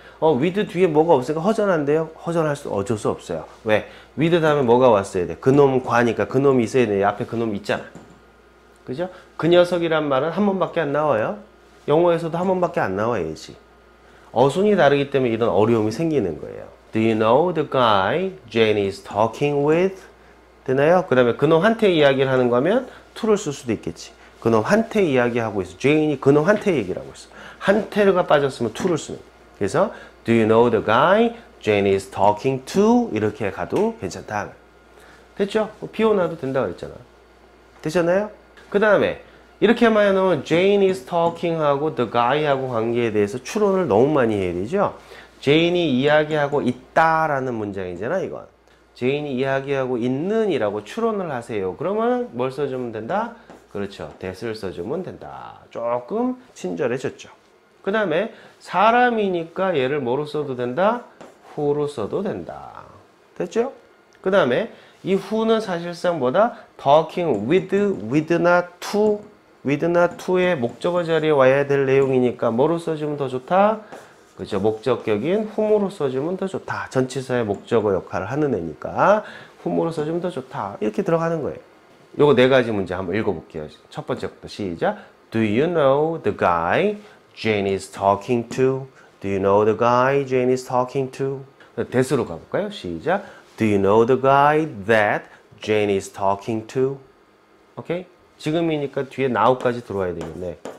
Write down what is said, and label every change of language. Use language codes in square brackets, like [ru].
[ko] with 뒤에 뭐가 없으니까 허전한데요? 허전할 수 어쩔 수 없어요. 왜? with 다음에 뭐가 왔어야 돼? 그놈 과니까 그놈이 있어야 돼. 앞에 그놈 있잖아. 그죠? 그 녀석이란 말은 한 번밖에 안 나와요. 영어에서도 한 번밖에 안 나와야지. 어순이 다르기 때문에 이런 어려움이 생기는 거예요. [en] Do you know the guy Jane is talking with? [ko] 되나요? 그 다음에 그놈한테 이야기를 하는 거면 to를 쓸 수도 있겠지. 그놈한테 이야기하고 있어. Jane이 그놈한테 얘기를 하고 있어. 한테가 빠졌으면 to를 쓰는 거예요. 그래서 [en] Do you know the guy Jane is talking to? [ko] 이렇게 가도 괜찮다. 됐죠? 비 오나도 된다고 했잖아. 되셨나요? 그 다음에 이렇게 말해놓으면 [en] Jane is talking [ko] 하고 the guy 하고 관계에 대해서 추론을 너무 많이 해야 되죠. Jane이 이야기하고 있다 라는 문장이잖아. 이건 Jane이 이야기하고 있는 이라고 추론을 하세요. 그러면 뭘 써주면 된다? 그렇죠. that을 써주면 된다. 조금 친절해졌죠. 그 다음에 사람이니까 얘를 뭐로 써도 된다? who로 써도 된다. 됐죠? 그 다음에 이 who는 사실상 뭐다? talking with나 to의 목적어 자리에 와야 될 내용이니까 뭐로 써주면 더 좋다? 그렇죠. 목적격인 whom으로 써주면 더 좋다. 전치사의 목적어 역할을 하는 애니까 whom으로 써주면 더 좋다. 이렇게 들어가는 거예요. 요거 네 가지 문제 한번 읽어볼게요. 첫 번째부터 시작. [en] Do you know the guy Jane is talking to? Do you know the guy Jane is talking to? [ko] 대수로 가볼까요? 시작. [en] Do you know the guy that Jane is talking to? [ko] 오케이? 지금이니까 뒤에 now까지 들어와야 되겠네.